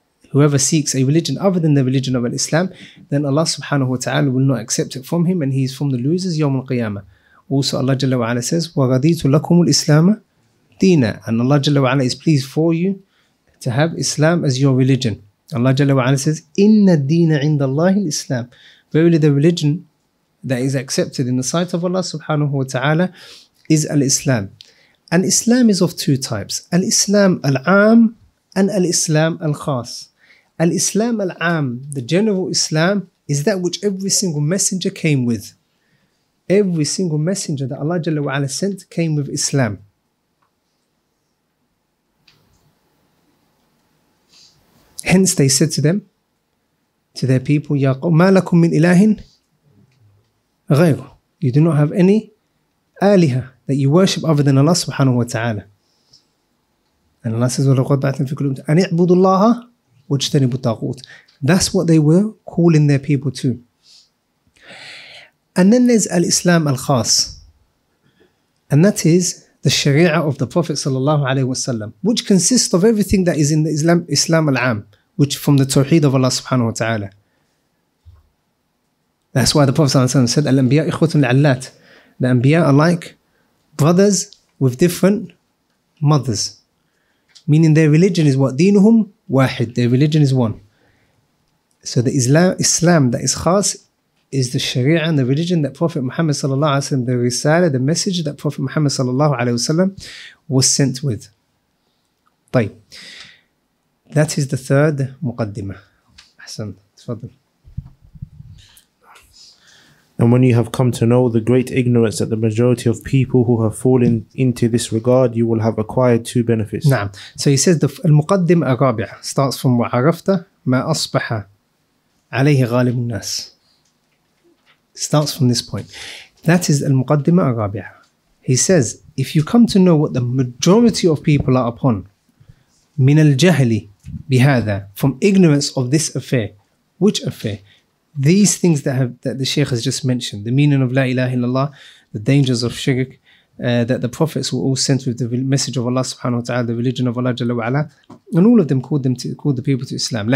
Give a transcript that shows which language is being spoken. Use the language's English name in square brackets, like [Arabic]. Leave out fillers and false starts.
[English] Whoever seeks a religion other than the religion of Islam, then Allah subhanahu wa ta'ala will not accept it from him, and he is from the losers [Arabic] يَوْمُ الْقِيَامَةِ. [English] Also Allah جَلَّ وَعَلَى says, [Arabic] وَغَدِيتُ لَكُمُ الْإِسْلَامَ دِينًا, [English] and Allah جَلَّ وَعَلَى is pleased for you to have Islam as your religion. [Arabic] Allah جَلَّ وَعَلَى says, إِنَّ الدِّينَ عِنْدَ اللَّهِ الْإِسْلَامِ. [English] Verily the religion that is accepted in the sight of Allah subhanahu wa ta'ala is al-Islam. And Islam is of two types, al-Islam al-Aam and al-Islam al-Khas. Al-Islam al-Aam, the general Islam, is that which every single messenger came with. Every single messenger that Allah Jalla wa'ala sent came with Islam. Hence they said to them, to their people, [Arabic] يَا قَوْمَا لَكُمْ مِنْ إِلَهٍ غَيْرُ. [English] You do not have any aliha that you worship other than Allah subhanahu wa ta'ala. [Arabic] And Allah says, أَنِعْبُدُ اللَّهَ وَاجْتَنِبُ الطَّاغُوتِ. [English] That's what they were calling their people to. And then there's al-Islam al-Khas. And that is the Sharia of the Prophet sallallahu alayhi wa sallam, which consists of everything that is in the Islam al-Aam, which from the Tawheed of Allah subhanahu wa ta'ala. That's why the Prophet sallallahu alayhi wa sallam said, [Arabic] al-Anbiya ikhwatun li'allat. [English] The Anbiya are like brothers with different mothers. Meaning their religion is what? [Arabic] Deenuhum wahid. [English] Their religion is one. So the Islam that is khas is the Sharia and the religion that Prophet Muhammad sallallahu alayhi wa sallam, the risala, the message that Prophet Muhammad sallallahu alayhi wa sallam was sent with. [Arabic] طيب. [English] That is the third muqaddimah. [Arabic] Ahsan. Tafadhal. [English] And when you have come to know the great ignorance that the majority of people who have fallen into this regard, you will have acquired two benefits. [Arabic] Naam. [English] So he says, the المقدم الرابع starts from [Arabic] وعرفت ما أصبح عليه غالب الناس. [English] Starts from this point. That is المقدم الرابع. He says, if you come to know what the majority of people are upon, [Arabic] من الجهل بهذا, [English] from ignorance of this affair, which affair? These things that the Shaykh has just mentioned, the meaning of La ilaha illallah, the dangers of shirk, that the prophets were all sent with the message of Allah subhanahu wa ta'ala, the religion of Allah jalla wa ala, and all of them called the people to Islam.